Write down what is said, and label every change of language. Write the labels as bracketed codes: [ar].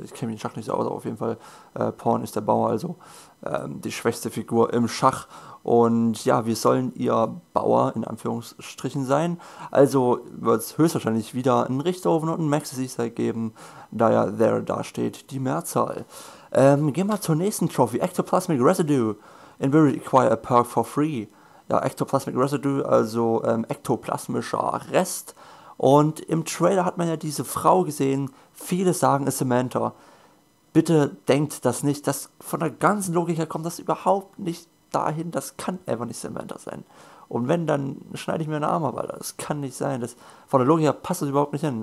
[de] Ich kenne mich im Schach nicht so aus, aber auf jeden Fall Pawn ist der Bauer, also die schwächste Figur im Schach. Und ja, wir sollen ihr Bauer in Anführungsstrichen sein. Also wird es höchstwahrscheinlich wieder einen Richterhofen und einen Maxis-Easter Egg geben, da ja there da steht, die Mehrzahl. Gehen wir zur nächsten Trophy. [en] Ectoplasmic Residue. In Buried acquire a perk for free. [de] Ja, Ectoplasmic Residue, also ektoplasmischer Rest. Und im Trailer hat man ja diese Frau gesehen. Viele sagen, es ist Samantha. Bitte denkt das nicht. Das von der ganzen Logik her kommt das überhaupt nicht dahin, das kann einfach nicht Samantha sein. Und wenn, dann schneide ich mir einen Arm ab, weil das kann nicht sein. Das, von der Logik her passt das überhaupt nicht hin.